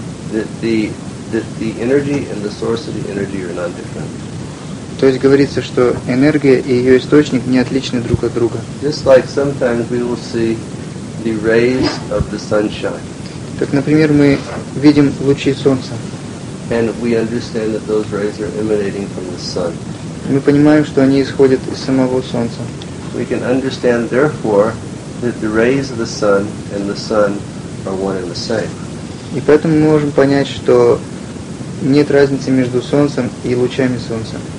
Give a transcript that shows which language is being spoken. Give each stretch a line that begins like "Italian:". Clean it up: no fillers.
English: That the energy and the source of the energy are not different.
Russian: То есть говорится, что энергия и ее источник не отличны друг от друга.
English: Just like sometimes we will see the rays of the sunshine.
Russian: Как, например, мы видим лучи солнца.
English: And we understand that those rays are emanating from the sun.
Russian: Мы понимаем, что они исходят из самого солнца.
English: We can understand, therefore, that the rays of the sun and the sun are one and the same.
Russian: И поэтому мы можем понять, что нет разницы между солнцем и лучами солнца.